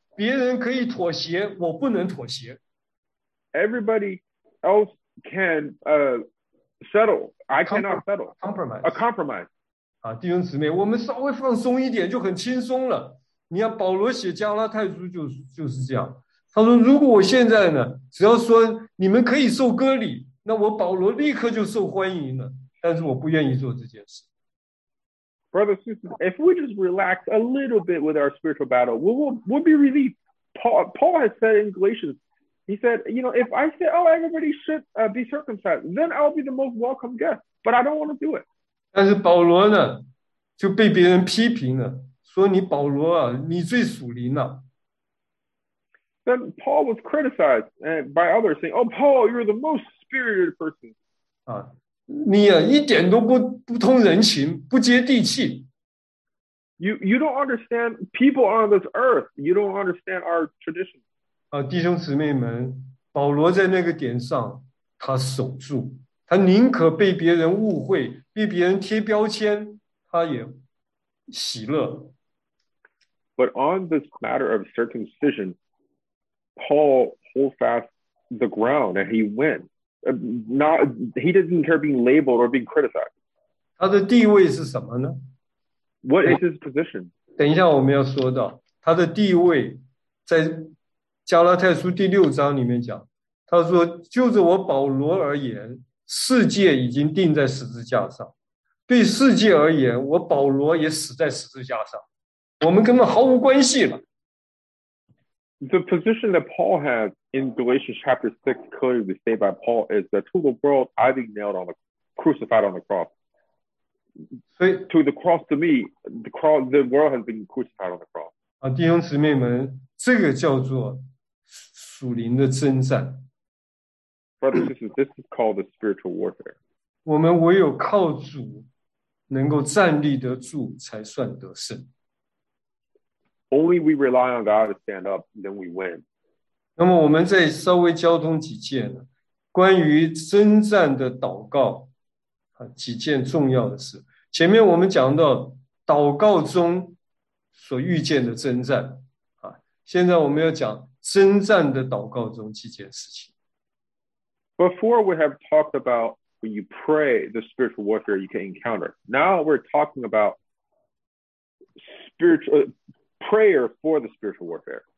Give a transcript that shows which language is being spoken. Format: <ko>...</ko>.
<zh>别人可以妥协，我不能妥协。</zh> <en>Everybody else can settle. I cannot settle. Compromise. A compromise.</en> <zh>啊，弟兄姊妹，我们稍微放松一点就很轻松了。你看保罗写加拉太书就是这样，他说如果我现在呢，只要说你们可以受割礼，那我保罗立刻就受欢迎了，但是我不愿意做这件事。</zh> <en>Brother, sister, if we just relax a little bit with our spiritual battle, we'll be relieved. Paul has said in Galatians, he said, you know, if I say, oh, everybody should be circumcised, then I'll be the most welcome guest, but I don't want to do it.</en> <zh>但是保罗呢，就被别人批评了，说你保罗啊，你最属灵了。</zh> <en>Then Paul was criticized by others saying, "Oh, Paul, you're the most spirited person."</en> <zh>啊，你啊，一点都不通人情，不接地气。</zh> <en>You don't understand people on this earth. You don't understand our tradition.</en> <zh>啊，弟兄姊妹们，保罗在那个点上，他守住。他宁可被别人误会，被别人贴标签，他也喜乐。</zh> <en>But on this matter of circumcision, Paul hold fast the ground and he went. Not he didn't care being labeled or being criticized.</en> <zh>他的地位是什么呢</zh> <en>？What is his position？</en> <zh>等一下，我们要说到他的地位，在加拉太书第六章里面讲，他说：“就着我保罗而言。” 世界已经定在十字架上，对世界而言，我保罗也死在十字架上，我们根本毫无关系了。</zh> <en>The position that Paul has in Galatians chapter 6 clearly stated by Paul is that to the world, I've been nailed on the crucified on the cross. to the cross to me, the cross, the world has been crucified on the cross.</en> <zh>啊，弟兄姊妹们，这个叫做属灵的征战。</zh> <en>Brothers and sisters, this is called the spiritual warfare.</en> <zh>我们唯有靠主能够站立得住，才算得胜。</zh> <en>Only we rely on God to stand up, then we win.</en> <zh>那么我们再稍微交通几件呢？关于征战的祷告啊，几件重要的事。前面我们讲到祷告中所遇见的征战啊，现在我们要讲征战的祷告中几件事情。</zh> <en>Before we have talked about when you pray the spiritual warfare you can encounter. Now we're talking about spiritual prayer for the spiritual warfare.</en>